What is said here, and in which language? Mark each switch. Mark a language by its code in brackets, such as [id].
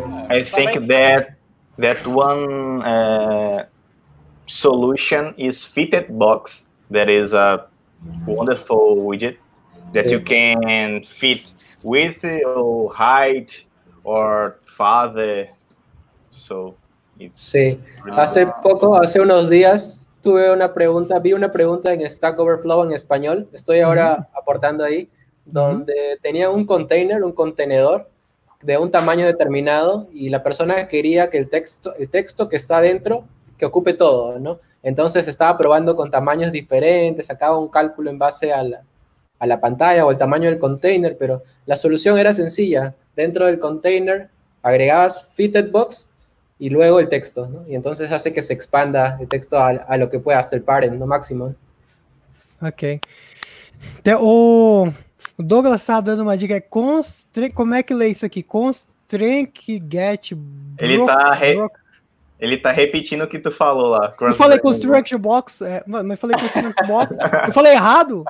[en] I think that one solution is fitted box. That is a wonderful widget that you can fit width or height or father. So it's [es] hace unos días tuve una pregunta, vi una pregunta en Stack Overflow en español. Estoy ahora aportando ahí, donde tenía un contenedor de un tamaño determinado y la persona quería que el texto que está dentro que ocupe todo, ¿no? Entonces estaba probando con tamaños diferentes, sacaba un cálculo en base a la pantalla o el tamaño del container, pero la solución era sencilla. Dentro del container agregabas fitted box y luego el texto, ¿no? Y entonces hace que se expanda el texto a lo que pueda, hasta el parent, ¿no? Máximo. Ok. [pt] O Douglas está dando uma dica, como é que lê isso aqui? [en] Constraint get box. [pt] Ele tá repetindo o que tu falou lá. Eu falei construct box, mas falei construct box. Eu falei errado?